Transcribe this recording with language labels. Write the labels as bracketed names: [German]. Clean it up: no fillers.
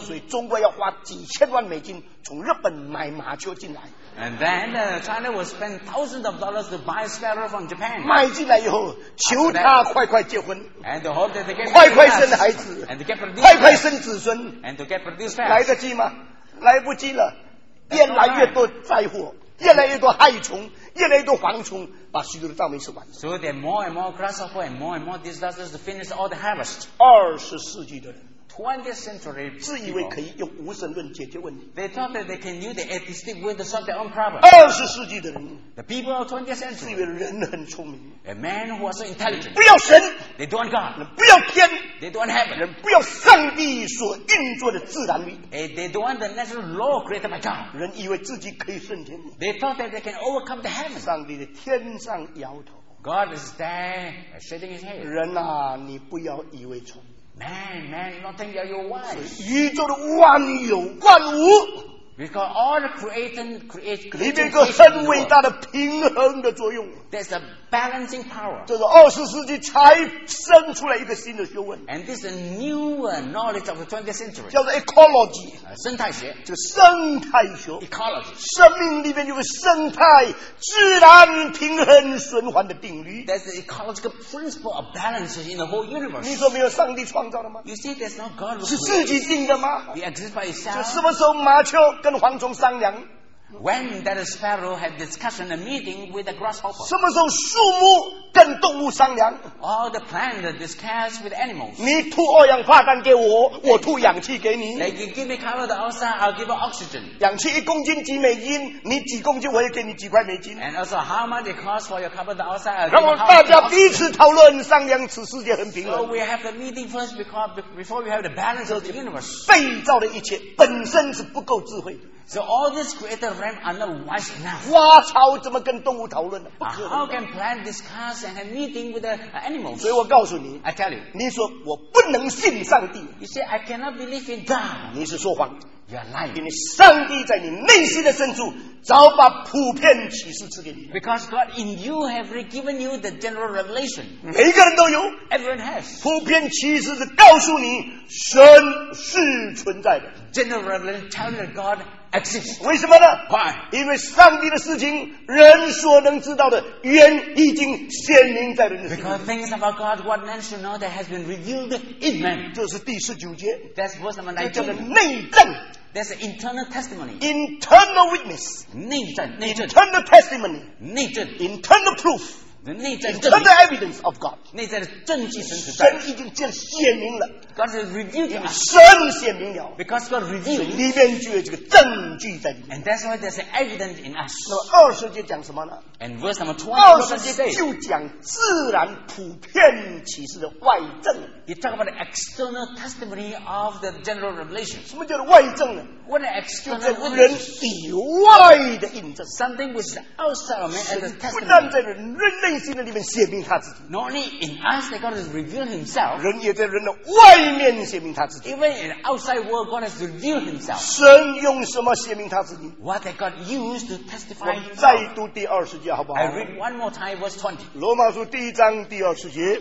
[Chinese] 所以中国要花几千万美金从日本买麻雀进来。 [English] And then China will spend thousands of dollars to buy sparrow from Japan. [Chinese] 买进来以后，求他快快结婚。 [English] And to hope that they get [Chinese] 快快生孩子。 [English] And to get produced. [Chinese] 快快生子孙。 [English] And to get produced fast. [Chinese] 来得及吗？来不及了，越来越多灾祸。越来越多害虫，越来越多蝗虫，把许多的稻米吃完。 [English] So there are more and more grasshopper and more disasters to finish all the harvest. [Chinese] 二十世纪的人 [English] ，20th century people, [Chinese] 自以为可以用无神论解决问题。 [English] They thought that they can use the atheistic way to solve their own problem. [Chinese] 二十世纪的人 [English] ，the people of 20th century, [Chinese] 自以为人很聪明。 [English] A man who was so intelligent. [Chinese] 不要神 [English] ，they don't want God. [Chinese] 不要天 [English] ，they don't want heaven. [Chinese] 人不要上帝所运作的自然力 [English] ，they don't want the natural law created by God. [Chinese] 人以为自己可以胜天。 [English] They thought that they can overcome the heaven. [Chinese] 上帝的天上摇头。 [English] God is there shaking his head. [Chinese] 人啊，你不要以为聪明。 [English] Man, you don't think you're your wise. [Chinese] 宇宙的万有万物。 [English] Because all the creation [Chinese] 里面一个很伟大的平衡的作用。 [English] There's a balancing power. [Chinese] 这是二十世纪才生出来一个新的学问。 [English] And this is a new knowledge of the 20th century. [Chinese] 叫做 ecology. 生态学。就生态学。 [English] Ecology. [Chinese] 生命里面有个生态自然平衡循环的定律。 [English] That's the ecological principle of balance in the whole universe. [Chinese] 你说没有上帝创造的吗？ [English] You see, there's no God. [Chinese] 是自己定的吗？ [English] You exist by yourself. [Chinese] 就什么时候麻雀跟蝗虫商量 [English] ？When that sparrow had discussion a meeting with the grasshopper？ [Chinese] 什么时候树木跟动物商量 [English] ？All the plant discuss with animals。 [Chinese] 你吐二氧化碳给我，我吐氧气给你。 [English] Like you give me carbon dioxide, I'll give you oxygen。 [Chinese] 氧气一公斤几美金，你几公斤我也给你几块美金。 [English] And also how much it costs for your carbon dioxide？ [Chinese] 然后大家彼此讨论商量，此世界很平衡。 [English] So we have the meeting first because before we have the balance of the universe。 [Chinese] 被造的一切本身是不够智慧的。 [English] So all these created realms are not wise enough. [Chinese] 花草怎么跟动物讨论呢? [English] How can plant discuss and have meeting with the animals? [Chinese] 所以我告诉你, [English] I tell you, [Chinese] 你说我不能信上帝, [English] you say, I cannot believe in God. [Chinese] 你是说谎, [English] you are lying. [Chinese] 因为上帝在你内心的深处, 早把普遍启示赐给你。 [English] Because God in you have given you the general revelation. [Chinese] 每个人都有, [English] everyone has. [Chinese] 普遍启示是告诉你, 神是存在的。 [English] General revelation tells you that God exists. [Chinese] 为什么呢? [English] Why? [Chinese] 因为上帝的事情, 人所能知道的原已经显明在人的心里。 [English] Because things about God, what man should know, that has been revealed in man. [Chinese] 这是第十九节。 [English] That's verse number 19. [Chinese] 这叫内证。 [English] There's an internal testimony. Internal witness. [Chinese] 内证。 [English] Internal testimony. [Chinese] 内证。 [English] Internal proof. [Chinese] 内在证据, [English] internal evidence of God. [Chinese] 内在的证据神已经显明了。 [English] God has revealed it. [Chinese] 神显明了。 [English] Because God revealed. [Chinese] 里面就有这个证据在里面。 [English] And that's why there's an evidence in us. [Chinese] 那么二十节讲什么呢? [English] And verse number 20, [Chinese] 二十节就讲自然普遍启示的外证。 [English] You talk about the external testimony of the general revelation. [Chinese] 什么叫做外证呢? [English] What an external witness. [Chinese] 就在人以外的印证。 [English] Something which is outside of man as a testimony. [Chinese] 不但在人, 内心的里面显明他自己 [English] Not only in us that God has revealed himself [Chinese] 人也在人的外面显明他自己 [English] Even in the outside world God has revealed himself [Chinese] 神用什么显明他自己 [English] What that God used to testify [Chinese] 我再读第二十节好不好 [English] I read one more time verse 20 [Chinese] 罗马书第一章第二十节